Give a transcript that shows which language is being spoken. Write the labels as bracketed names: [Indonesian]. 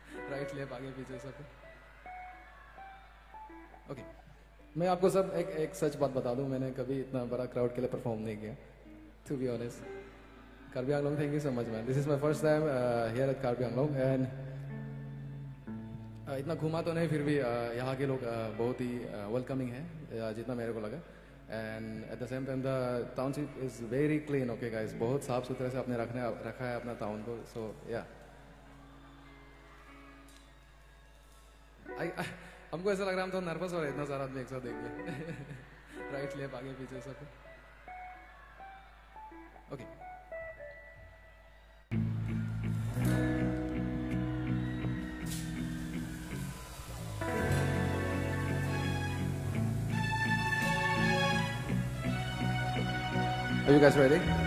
[Hindi] Right left आगे पीछे सब. ओके, मैं आपको सब एक सच बात बता दूं, मैंने कभी इतना बड़ा क्राउड के लिए परफॉर्म नहीं किया, [English] To be honest. Karbi Anglong, thank you so much, man. This is my first time here at Karbi Anglong, and [Hindi] इतना घुमा तो नहीं, फिर भी यहाँ के लोग बहुत ही welcoming हैं, जितना मेरे को लगा. [English] And at the same time, the township is very clean. Okay, guys, [Hindi] बहुत साफ सुथरे से आपने रखा है अपना town को. [English] So yeah, [Hindi] हमको ऐसा लग रहा है हम तो नर्वस हो रहे हैं, इतना सारा आदमी एक साथ देख लिया. राइट लेफ्ट आगे पीछे सब. [English] Okay, are you guys ready?